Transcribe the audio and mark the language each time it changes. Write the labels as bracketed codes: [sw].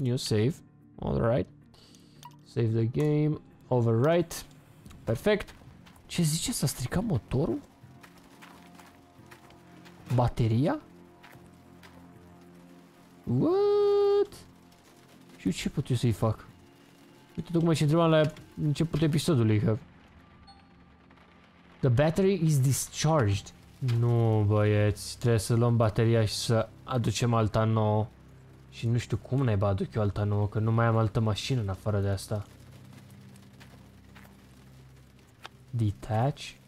[en] New save. Alright. Save the game. Overwrite. Perfect. [ro] Ce zice? S-a stricat motorul? Bateria? [en] What? [ro] Și ce pot eu să-i fac? Uite, tocmai ce întrebam la începutul episodului, că... [en] The battery is discharged. [ro] Nu, băieți, trebuie să luăm bateria și să aducem alta nouă. Și nu știu cum ne-ai aduc eu alta nouă, că nu mai am altă mașină în afară de asta. [en] Detach.